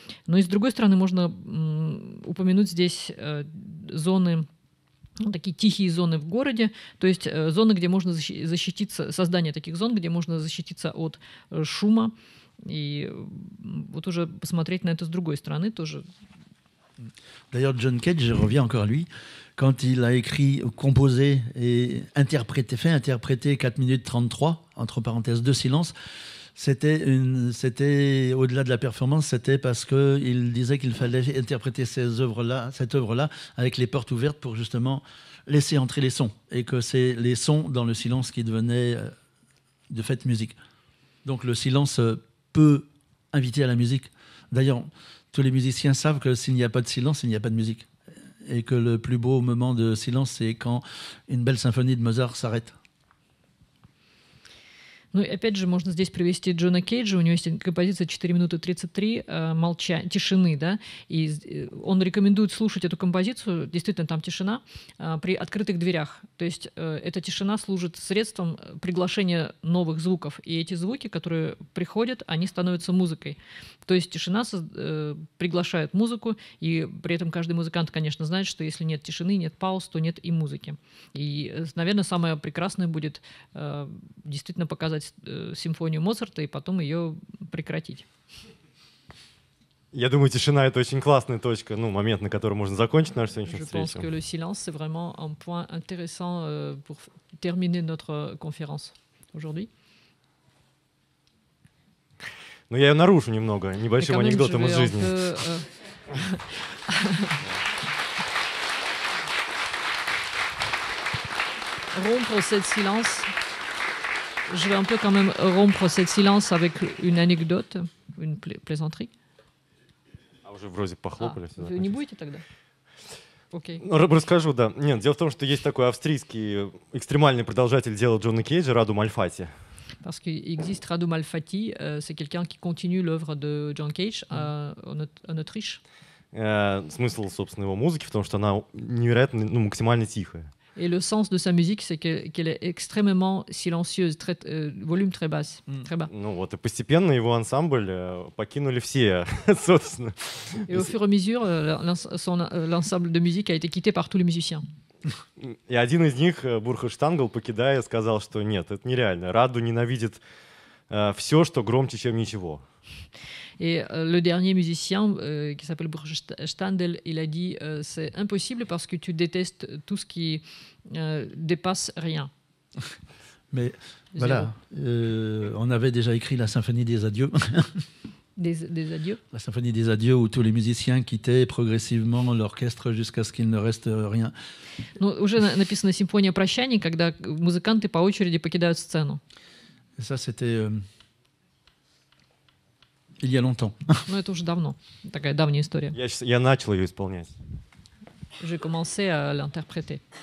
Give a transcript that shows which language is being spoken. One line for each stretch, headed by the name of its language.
Russian: Но и с другой стороны можно упомянуть здесь зоны... такие тихие зоны в городе, то есть зоны, где можно защититься, создание таких зон, где можно защититься от шума, и вот уже посмотреть на это с другой стороны тоже.
French: D'ailleurs, John Cage, je reviens encore à lui, quand il a écrit, composé et interprété 4 minutes 33, entre parenthèses, de silence, c'était au-delà de la performance, c'était parce qu'il disait qu'il fallait interpréter cette œuvre-là avec les portes ouvertes pour justement laisser entrer les sons, et que c'est les sons dans le silence qui devenaient de fait musique. Donc le silence peut inviter à la musique. D'ailleurs, tous les musiciens savent que s'il n'y a pas de silence, il n'y a pas de musique, et que le plus beau moment de silence, c'est quand une belle symphonie de Mozart s'arrête.
Russian: Ну и опять же, можно здесь привести Джона Кейджа, у него есть композиция 4 минуты 33 тишины, да, и он рекомендует слушать эту композицию, действительно там тишина, при открытых дверях, то есть эта тишина служит средством приглашения новых звуков, и эти звуки, которые приходят, они становятся музыкой, то есть тишина приглашает музыку, и при этом каждый музыкант, конечно, знает, что если нет тишины, нет пауз, то нет и музыки, и, наверное, самое прекрасное будет действительно показать симфонию Моцарта и потом ее прекратить. Я думаю, тишина — это очень классная точка, ну, момент, на котором можно закончить нашу сегодняшнюю встречу.
French: Je pense que le silence c'est vraiment un point intéressant pour terminer notre conférence aujourd'hui.
Russian: Ну, я ее нарушу немного, небольшим анекдотом из жизни.
French: Rompre cette silence. Je vais un peu quand même rompre cette silence avec une anecdote, une plaisanterie.
Russian: А уже вроде похлопали. Вы не будете тогда? Окей. Okay. Расскажу, да. Нет, дело в том, что есть такой австрийский экстремальный продолжатель дела Джона Кейджа, Раду Мальфати.
French: Parce qu'il existe Раду Мальфати, c'est quelqu'un qui continue l'œuvre de John Cage en Autriche.
Russian: Смысл, собственно, его музыки в том, что она невероятно, ну, максимально тихая.
French: Et le sens de sa musique, c'est qu'elle est extrêmement silencieuse, très, volume très bas, très bas.
Russian: Ну вот, и постепенно его ансамбль покинули все, собственно.
French: Et au fur et à mesure, l'ensemble de musique a été quitté par tous les musiciens. Et
Russian: один из них, Бурхард Штангл, покидая, сказал, что нет, это нереально. Раду ненавидит все, что громче, чем ничего.
French: Et le dernier musicien, qui s'appelle Bruce Standel, il a dit « C'est impossible parce que tu détestes tout ce qui dépasse rien. » Mais voilà, on avait déjà écrit la symphonie des adieux. Des adieux. La symphonie des adieux où tous les musiciens quittaient progressivement l'orchestre jusqu'à ce qu'il ne reste rien.
Russian: Ну, уже написана симфония прощаний, когда музыканты по очереди покидают сцену.
French: Et ça c'était il y a longtemps.
Russian: Ну, это уже давно. Такая давняя история. Я начал ее исполнять.
French: J'ai commencé à l'interpréter.